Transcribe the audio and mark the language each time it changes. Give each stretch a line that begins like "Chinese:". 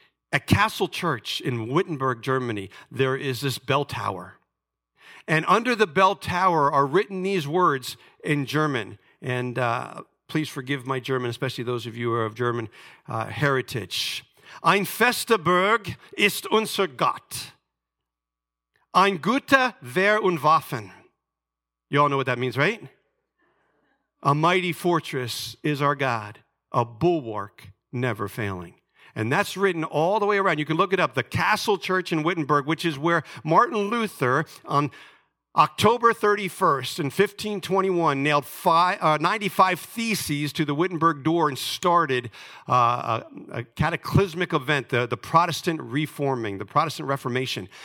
English: At Castle Church in Wittenberg, Germany, there is this bell tower. And under the bell tower are written these words in German. And please forgive my German, especially those of you who are of German heritage.
German: Ein fester Berg ist unser Gott. Ein guter Wehr und Waffen.
English: You all know what that means, right? A mighty fortress is our God, a bulwark never failing. And that's written all the way around. You can look it up. The Castle Church in Wittenberg, which is where Martin Luther on October 31st in 1521 nailed 95 theses to the Wittenberg door and started a cataclysmic event, the Protestant reforming, the Protestant Reformation.